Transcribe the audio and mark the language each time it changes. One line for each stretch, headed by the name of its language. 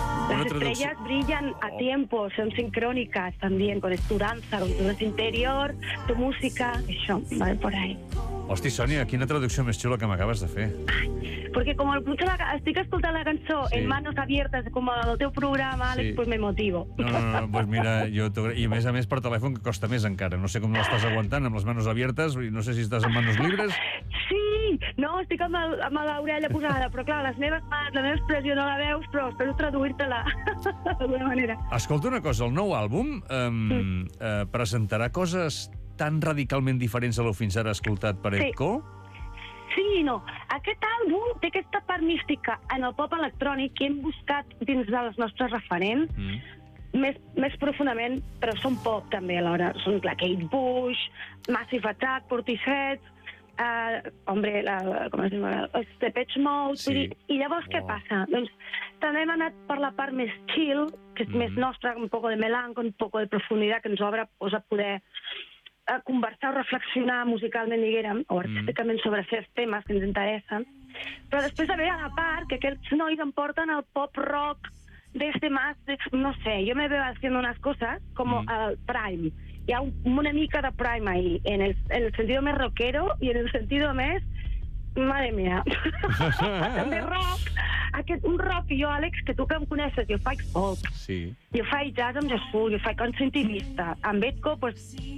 Spanish: Las estrellas brillan a tiempo, son sincrónicas también, con tu danza, con tu danza interior, tu música, eso, ¿vale? Por ahí.
Catalan: Hosti, Sònia, quina traducció més xula que m'acabes de fer. Perquè com estic escoltant la cançó, sí.
Spanish: En manos abiertas,
Catalan: com el teu programa, sí.
Spanish: Pues me motivo.
Catalan: No, doncs pues mira, jo i a més per telèfon, que costa més encara. No sé com l'estàs aguantant, amb les
Spanish: manos abiertas,
Catalan: no sé si estàs amb
Spanish: manos libres.
Catalan: Sí, no, estic amb l'orella posada, però clar, les meves mans, la meva expressió no la veus, però espero traduir-te-la d'alguna manera. Escolta una cosa, el nou àlbum presentarà coses tan radicalment diferents de lo fins ara escoltat per Edco? Sí. Sí, no. Aquest àlbum té aquesta part mística en el pop electrònic que hem buscat dins dels nostres referents, més profundament, però són pop també alhora. Són la Kate Bush, Massive Attack, Portishead, hombre, com es diu, els Depeche Mode. Sí. I llavors què passa? Doncs també hem anat per la part més chill, que és més nostra,
Spanish: un poco de melanco,
Catalan: un poco de profunditat, que ens obre a poder a conversar o reflexionar musicalment, diguérem, o artísticament sobre certs temes que ens interessen. Però després també hi ha la part que aquells nois em porten al pop-rock d'
Spanish: este más... No sé, jo me veo haciendo unas cosas como el Prime.
Catalan: Hi ha una mica de Prime ahí, en el sentido més rockero i en el sentido més... Madre mía. També rock. Aquest, un rock, jo, Àlex, que tu que em coneixes, jo faig folk. Sí. Jo faig jazz amb Jesús, jo faig cançó intimista. Amb Edco, pues...